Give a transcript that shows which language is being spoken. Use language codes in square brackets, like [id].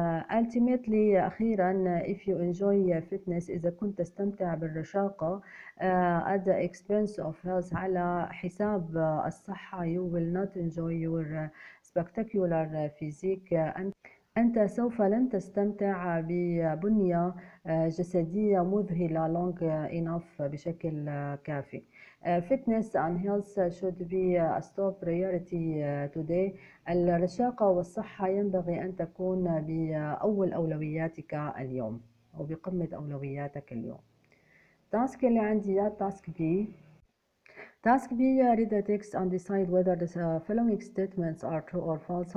[en] Ultimately، [ar] أخيرا، [en] if you enjoy fitness، [ar] إذا كنت تستمتع بالرشاقة، [en] at the expense of health، [ar] على حساب الصحة، [en] you will not enjoy your spectacular physique، [ar] أنت سوف لن تستمتع ببنية جسدية مذهلة [en] long enough، [ar] بشكل كافي. [en] Fitness and health should be a top priority today. [ar] الرشاقة والصحة ينبغي أن تكون بأول أولوياتك اليوم، أو بقمة أولوياتك اليوم. التاسك اللي عندي يا تاسك بي، [en] Task B read the text and decide whether the following statements are true or false.